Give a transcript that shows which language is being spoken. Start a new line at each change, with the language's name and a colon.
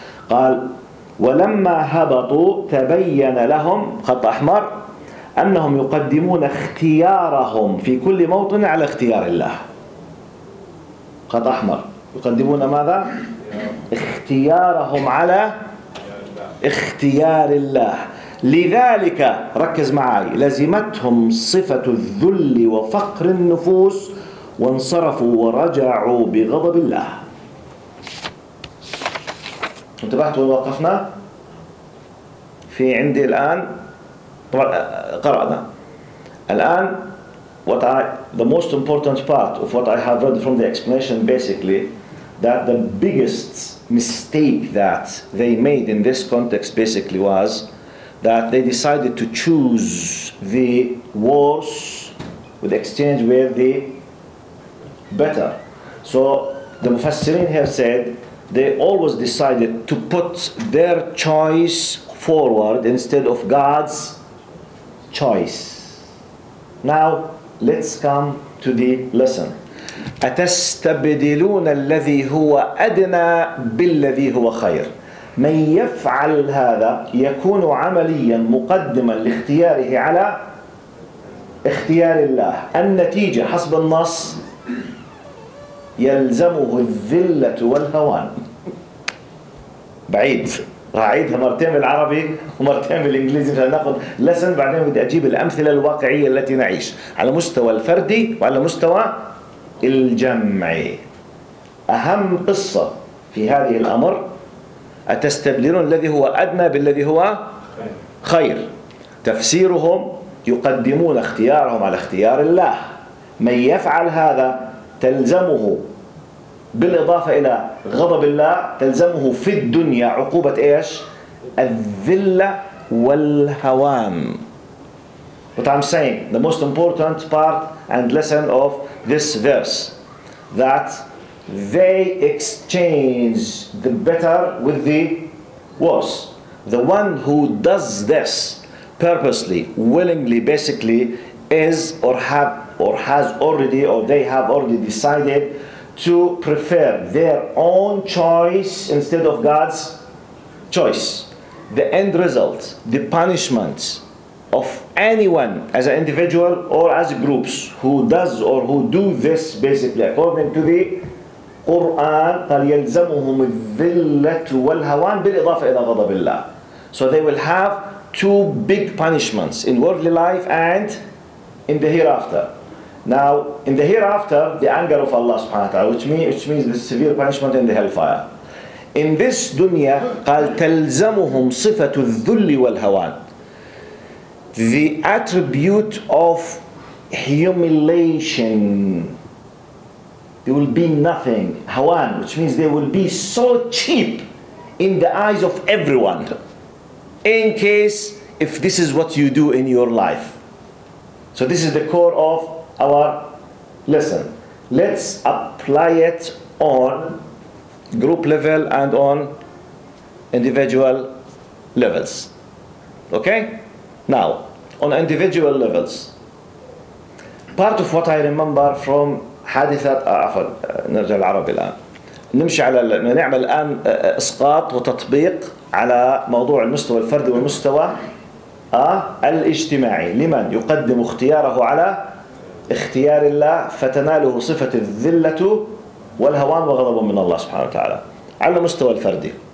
Arabic: قال ولما هبطوا تبين لهم خط أحمر أنهم يقدمون اختيارهم في كل موطن على اختيار الله خط أحمر يقدمون ماذا؟ اختيارهم على اختيار الله لذلك ركز معي لزمتهم صفة الذل وفقر النفوس وانصرفوا ورجعوا بغضب الله. انتبهتوا ووقفنا في عندي الآن قرأنا الآن
English: what I the most important part of what I have read from the explanation basically that the biggest mistake that they made in this context basically was that they decided to choose the worse with exchange with the better. So the Mufassirin here said they always decided to put their choice forward instead of God's choice. Now let's come to the lesson.
Arabic: أتستبدلون الذي هو أدنى بالذي هو خير. من يفعل هذا يكون عمليا مقدما لاختياره على اختيار الله. النتيجة حسب النص يلزمه الذلة والهوان. بعيد. أعيدها مرتين بالعربي ومرتين بالإنجليزي فنأخذ لسن بعدين بدي أجيب الأمثلة الواقعية التي نعيش على مستوى الفردي وعلى مستوى الجمعي. أهم قصة في هذه الأمر أتستبدلون الذي هو أدنى بالذي هو خير. تفسيرهم يقدمون اختيارهم على اختيار الله. من يفعل هذا تلزمه بالإضافة إلى غضب الله تلزمه في الدنيا عقوبة إيش؟ الذلة والهوان.
English: What I'm saying, the most important part and lesson of this verse that they exchange the better with the worse. The one who does this purposely, willingly, basically is or have or has already or they have already decided to prefer their own choice instead of God's choice. The end result, the punishment of anyone as an individual or as groups who does or who do this basically according to the Quran,
Arabic: فَلْيَلْزَمُهُمُ الذِّلَّةُ وَالْهَوَانِ بِالْإِضَافَ إِلَى غَضَبِ اللَّهِ.
English: So they will have two big punishments in worldly life and in the hereafter. Now, in the hereafter, the anger of Allah subhanahu wa ta'ala, which means the severe punishment in the hellfire. In this dunya,
Arabic: قال تلزمهم صفة الذل والهوان.
English: The attribute of humiliation. They will be nothing. Hawan, which means they will be so cheap in the eyes of everyone. In case, if this is what you do in your life. So this is the core of our lesson. Let's apply it on group level and on individual levels. Okay? Now, on individual levels, part of what I remember from
Arabic: حادثات عفوا نرجع العربي الآن نمشي على نعمل الآن إسقاط وتطبيق على موضوع المستوى الفردي والمستوى الاجتماعي لمن يقدم اختياره على اختيار الله فتناله صفة الذلة والهوان وغضب من الله سبحانه وتعالى على المستوى الفردي.